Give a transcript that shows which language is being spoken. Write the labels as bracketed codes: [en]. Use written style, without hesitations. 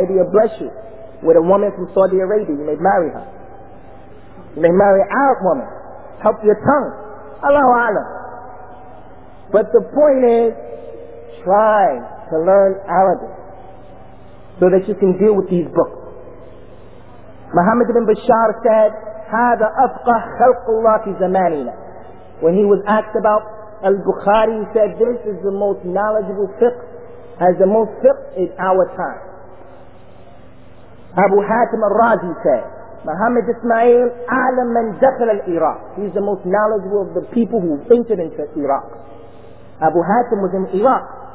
[en] Maybe He'll bless you with a woman from Saudi Arabia. You may marry her. You may marry an Arab woman. Help your tongue. Allahu alam. But the point is, try to learn Arabic so that you can deal with these books. [ar] Muhammad ibn Bashar said, هَذَا أَفْقَحْ خَلْقُ اللَّهِ فِي زَمَانِنَا. [en] When he was asked about Al-Bukhari, said, this is the most knowledgeable fiqh, as the most fiqh is our time. Abu Hatim al-Razi said, Muhammad Ismail, alam man dakhal al-Iraq. He's the most knowledgeable of the people who entered into Iraq. Abu Hatim was in Iraq.